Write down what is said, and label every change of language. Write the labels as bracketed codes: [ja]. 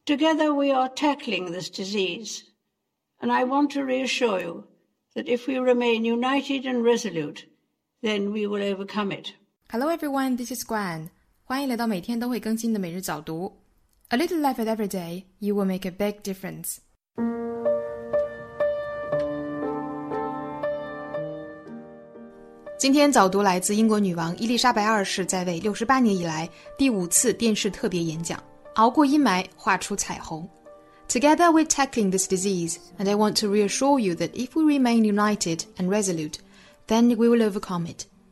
[en] Together we are tackling this disease, and I want to reassure you that if we remain united and resolute, then we will overcome it. Hello everyone, this is Gwen. [zh] 欢迎来到每天都会更新的每日早读。 [en] A little effort every day, you will make a big difference. [zh] 今天早读来自英国女王伊丽莎白二世在位68年以来第五次电视特别演讲，熬过阴霾，画出彩虹。 [en] Together we're tackling this disease, and I want to reassure you that if we remain united and resolute, then we will overcome it.